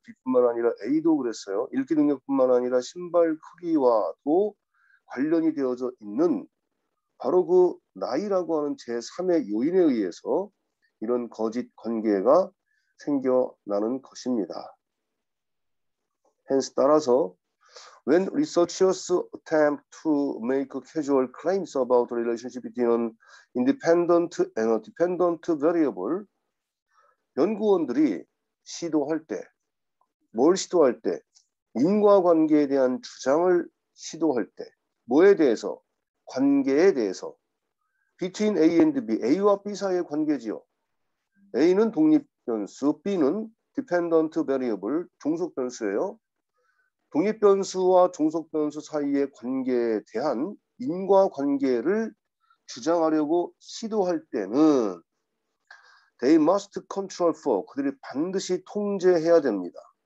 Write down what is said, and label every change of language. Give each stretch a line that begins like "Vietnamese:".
Korean: B뿐만 아니라 A도 그랬어요. 읽기 능력뿐만 아니라 신발 크기와도 관련이 되어져 있는 바로 그 나이라고 하는 제3의 요인에 의해서 이런 거짓 관계가 생겨나는 것입니다. 헨스 따라서
English: When researchers attempt to make casual claims about the relationship between an independent and a dependent variable,
Korean: 연구원들이 시도할 때, 뭘 시도할 때, 인과관계에 대한 주장을 시도할 때, 뭐에 대해서, 관계에 대해서,
English: between A and B,
Korean: A와 B 사이의 관계지요. A는 독립변수, B는 dependent variable, 종속변수예요. 독립변수와 종속변수 사이의 관계에 대한 인과관계를 주장하려고 시도할 때는
English: they must control for,
Korean: 그들이 반드시 통제해야 됩니다.